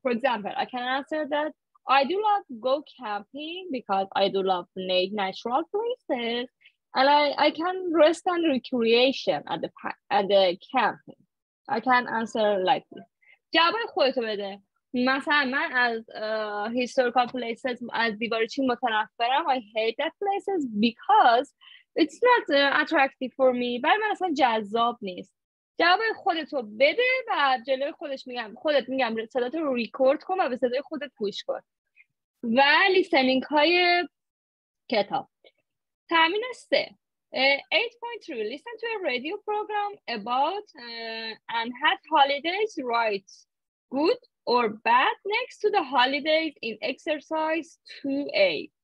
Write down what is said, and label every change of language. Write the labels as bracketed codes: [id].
[en] For example, I can answer that I do love go camping because I do love natural places, and I can rest and recreation at the camping. I can answer like this. [fa] جواب خودتو بده. مثلا من از [en] historical places [fa] از دیوارچین متنفرم. [en] I hate that places because it's not attractive for me. [fa] برای من اصلا جذاب نیست. جواب خودتو بده و جلوی خودش میگم خودت میگم صدات رو ریکورد کن و به صدای خودت گوش کن و لیسنینگ های کتاب تمرین 3 8.3 [en] listen to a radio program about and had holidays right good or bad next to the holidays in exercise 2a.